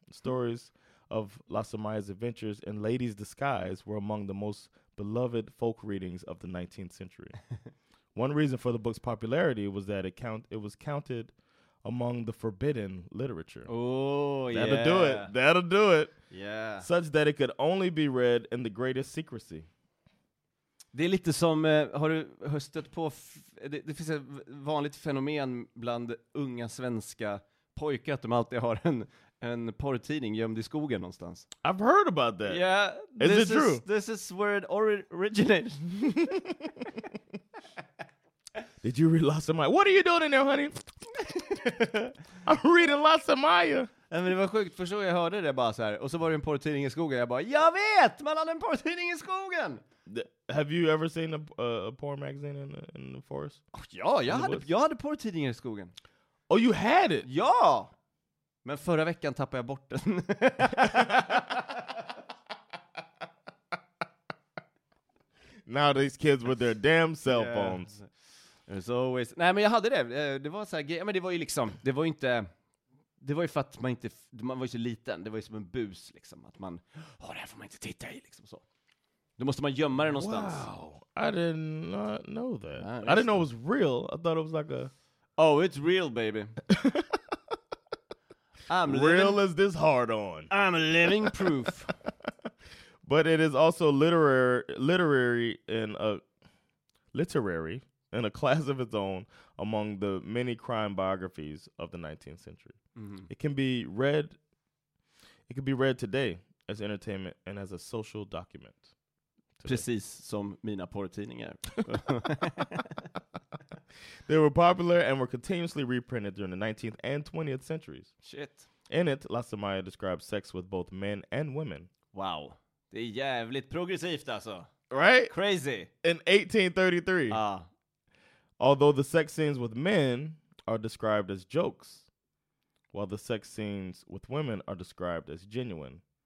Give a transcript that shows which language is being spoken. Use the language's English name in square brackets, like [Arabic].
[English] Stories of Lasse-Maja's adventures in ladies' disguise were among the most beloved folk readings of the 19th century. One reason for the book's popularity was that it was counted among the forbidden literature. That'll do it. Yeah. Such that it could only be read in the greatest secrecy. [Swedish] Det är lite som, har du stött på, det finns ett vanligt fenomen bland unga svenska pojkar att de alltid har en porrtidning gömd i skogen någonstans. [English] I've heard about that. Yeah. Is it true? This is where it originated. Did you read Lasse-Maja? What are you doing in there, honey? I'm reading Lasse-Maja. [Swedish] Men det var sjukt, förstår jag, hörde det bara så här. Och så var det en porrtidning i skogen. Jag bara, jag vet, man hade en porrtidning i skogen. [English] Have you ever seen a porn magazine in the forest? [Swedish] Oh, ja, jag hade porrtidningar i skogen. [English] Oh, you had it? [Swedish] Ja! Men förra veckan tappade jag bort den. [English] Now these kids with their damn cell phones. It's always. [Swedish] Nej, men jag hade det. Det var så här, men det var ju liksom, det var ju inte, det var ju för att man inte, man var ju så liten. Det var ju som en bus liksom, att man, det här får man inte titta i liksom så. Då måste man gömma det någonstans. [English] Wow. I did not know that. I didn't know it was real. I thought it was like a, oh, it's real, baby. I'm real as this hard on. I'm a living proof. But it is also literary in a class of its own among the many crime biographies of the 19th century. Mm-hmm. It can be read today as entertainment and as a social document. Today. [Swedish] Precis som mina porrtidningar. [English] They were popular and were continuously reprinted during the 19th and 20th centuries. Shit. In it, Lasse-Maja describes sex with both men and women. Wow. [Swedish] Det är jävligt progressivt alltså. [English] Right? Crazy. In 1833. Although the sex scenes with men are described as jokes, while the sex scenes with women are described as genuine.